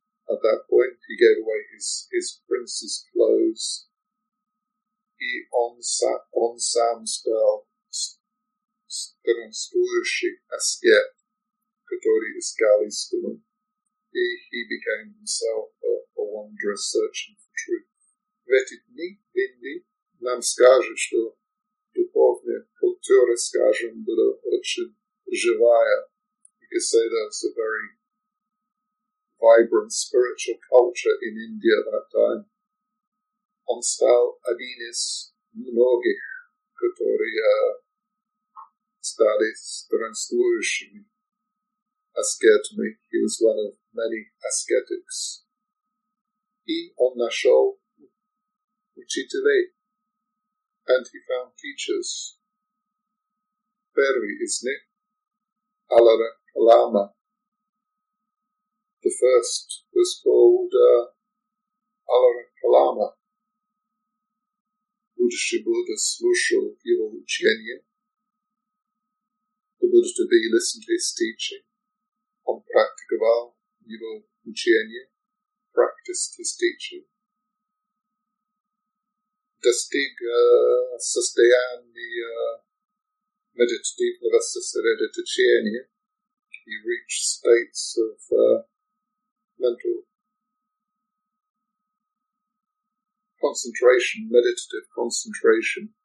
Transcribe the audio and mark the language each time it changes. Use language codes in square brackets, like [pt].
[en] At that point, he gave away his prince's clothes. [ru] И он сам стал странствующий аскет, который искал истину. [en] И he became himself a wanderer searching for truth. [ru] В эти дни, в Индии, нам скажут, что духовная культура, скажем, была очень живая. [en] You could say that it's a very vibrant spiritual culture in India at that time. [ru] Он стал один из многих, которые стали странствующими аскетами. [en] He was one of many ascetics. [ru] И он нашел учителей. [en] And he found teachers. [ru] Первый из них, Алара Калама. [en] The first was called Алара Калама. [ru] Будущий Будда слушал его учение. [en] The Buddha-to-be listened to his teaching. [ru] Он практиковал его учение. [en] Practiced his teaching. [ru] Достиг состояния медитативного сосредоточения. [en] He reached states of mental concentration, meditative concentration.